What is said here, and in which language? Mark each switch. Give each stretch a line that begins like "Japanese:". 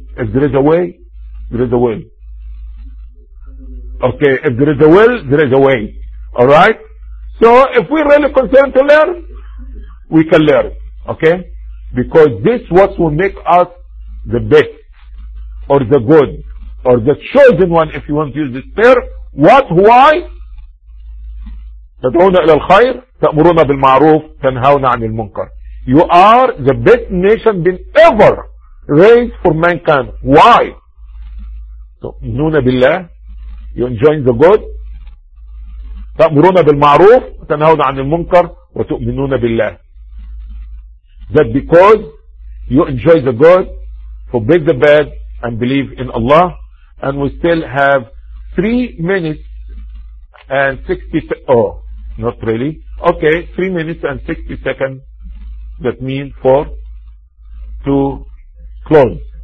English: If there is a way, there is a will. Okay, if there is a will, there is a way. Alright? So, if we really concerned to learn, we can learn. Okay? Because this is what will make us the best, or the good, or the chosen one, if you want to use this term. What? Why?
Arabic: تدعونا إلى الخير تأمرونا بالمعروف تنهونا عن المنكر.
English: You are the best nation been ever raised for mankind. Why?
Arabic: تؤمنون بالله.
English: You enjoy the good.
Arabic: تأمرونا بالمعروف تنهونا عن المنكر وتؤمنون بالله.
English: That because you enjoy the good, forbid the bad, and believe in Allah. And we still have 3 minutes and 60 seconds, that means for to close.